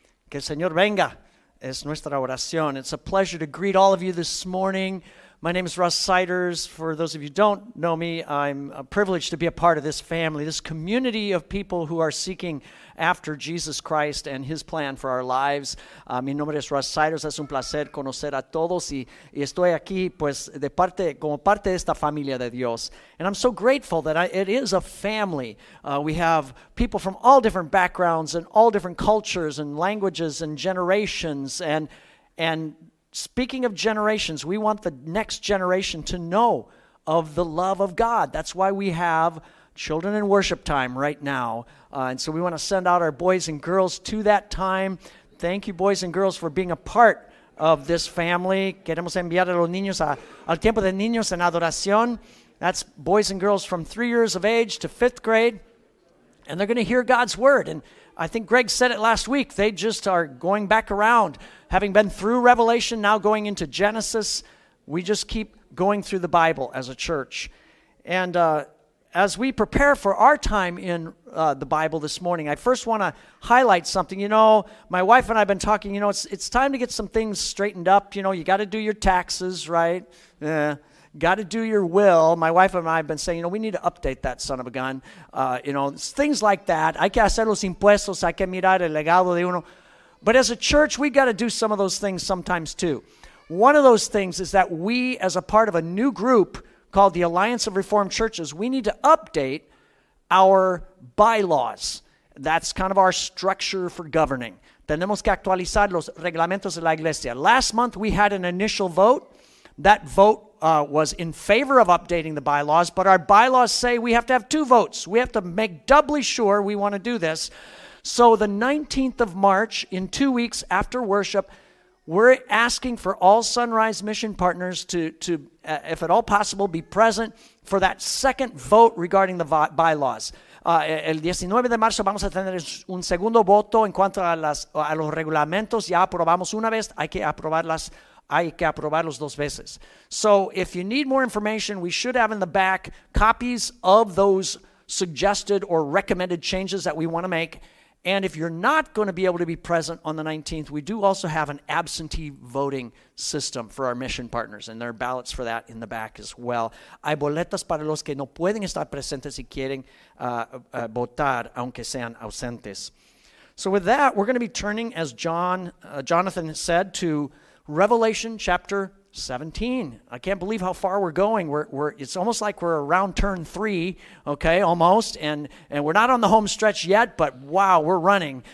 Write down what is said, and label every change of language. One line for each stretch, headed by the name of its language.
Spanish: Que Señor venga es nuestra oración.
English: It's a pleasure to greet all of you this morning. My name is Russ Siders. For those of you who don't know me, I'm privileged to be a part of this family, this community of people who are seeking after Jesus Christ and his plan for our lives.
Spanish: Mi nombre es Russ Siders. Es un placer conocer a todos y estoy aquí pues de parte como parte de esta familia de Dios.
English: And I'm so grateful that it is a family. We have people from all different backgrounds and all different cultures and languages and generations and speaking of generations, we want the next generation to know of the love of God. That's why we have children in worship time right now. And so we want to send out our boys and girls to that time. Thank you, boys and girls, for being a part of this family.
Spanish: Queremos enviar a los niños al tiempo de niños en adoración.
English: That's boys and girls from 3 years of age to fifth grade. And they're going to hear God's word. And I think Greg said it last week. They just are going back around. Having been through Revelation, now going into Genesis, we just keep going through the Bible as a church. And as we prepare for our time in the Bible this morning, I first want to highlight something. You know, my wife and I have been talking, you know, it's time to get some things straightened up. You know, you got to do your taxes, right? Got to do your will. My wife and I have been saying, you know, we need to update that son of a gun. You know, things like that.
Spanish: Hay que hacer los impuestos, hay que mirar el legado de uno.
English: But as a church, we got to do some of those things sometimes too. One of those things is that we, as a part of a new group called the Alliance of Reformed Churches, we need to update our bylaws. That's kind of our structure for governing.
Spanish: Tenemos que actualizar los reglamentos de la iglesia.
English: Last month, we had an initial vote. That vote was in favor of updating the bylaws, but our bylaws say we have to have two votes. We have to make doubly sure we want to do this. So the 19th of March, in 2 weeks after worship, we're asking for all Sunrise Mission partners to if at all possible, be present for that second vote regarding the bylaws.
Spanish: El 19 de marzo vamos a tener un segundo voto en cuanto a los reglamentos. Ya aprobamos una vez, hay que aprobarlos dos veces.
English: So if you need more information, we should have in the back copies of those suggested or recommended changes that we want to make. And if you're not going to be able to be present on the 19th, we do also have an absentee voting system for our mission partners, and there are ballots for that in the back as well.
Spanish: Hay boletas para los que no pueden estar presentes y quieren votar, aunque sean ausentes.
English: So with that, we're going to be turning, as Jonathan said, to Revelation chapter 17. I can't believe how far we're going. It's almost like we're around turn three, okay, almost. And we're not on the home stretch yet, but wow, we're running.